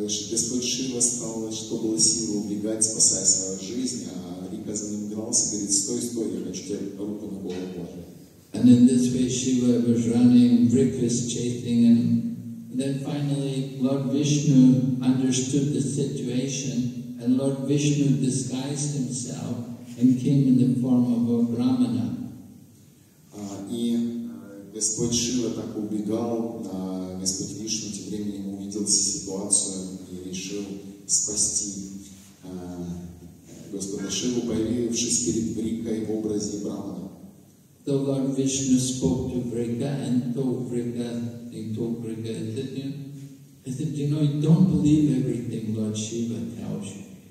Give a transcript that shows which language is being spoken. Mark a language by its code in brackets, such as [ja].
[ru] Господь Шива стал, что было силы, убегать, спасая свою жизнь, а Рика за ним гнался, говорит, стой, я хочу тебе руку на голову положить. [en] And in this way Shiva was running, Vrikas chasing him. Then finally Lord Vishnu understood the situation, and Lord Vishnu disguised himself and came in the form of a Brahmana. [ru] И Господь Шива так убегал, а Господь Вишну тем временем увидел ситуацию и решил спасти Господа Шиву, появившись перед Врикой в образе Брамана. [en] So Lord Vishnu spoke to Vrika and told Vrika, he said, don't believe everything Lord Shiva tells you.